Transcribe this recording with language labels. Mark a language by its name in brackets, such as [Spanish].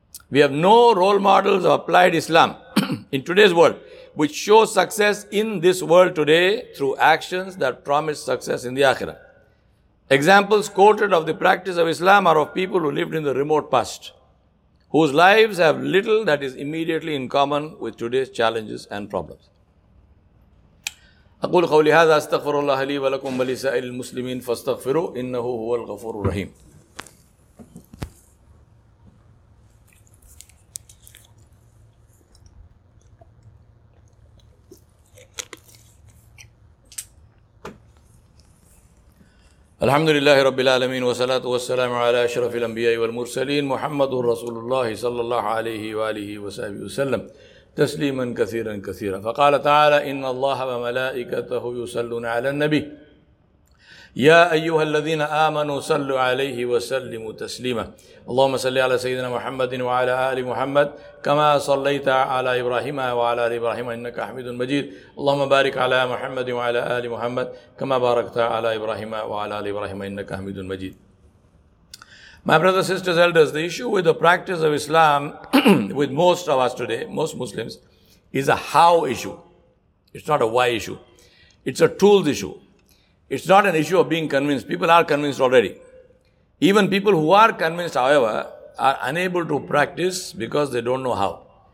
[English] We have no role models of applied Islam in today's world, which show success in this world today through actions that promise success in the Akhirah. Examples quoted of the practice of Islam are of people who lived in the remote past, whose lives have little that is immediately in common with today's challenges and problems. [Arabic] أقول قولي هذا أستغفر الله لي ولكم ولسائر المسلمين فاستغفروا إنه هو الغفور الرحيم. الحمد لله رب العالمين والصلاة والسلام على أشرف الأنبياء والمرسلين محمد رسول الله صلى الله عليه وآله وصحبه وسلم تسليما كثيرا كثيرا فقال تعالى إن الله وملائكته يصلون على النبي يا أيها الذين آمنوا صلوا عليه وسلموا تسليما اللهم صل على سيدنا محمد وعلى آل محمد كما صليت على إبراهيم وعلى آل إبراهيم إنك حميد مجيد اللهم بارك على محمد وعلى آل محمد كما باركت على إبراهيم وعلى آل إبراهيم إنك حميد مجيد. [English] My brothers, sisters, elders, the issue with the practice of Islam with most of us today, most Muslims, is a how issue. It's not a why issue. It's a tools issue. It's not an issue of being convinced. People are convinced already. Even people who are convinced, however, are unable to practice because they don't know how.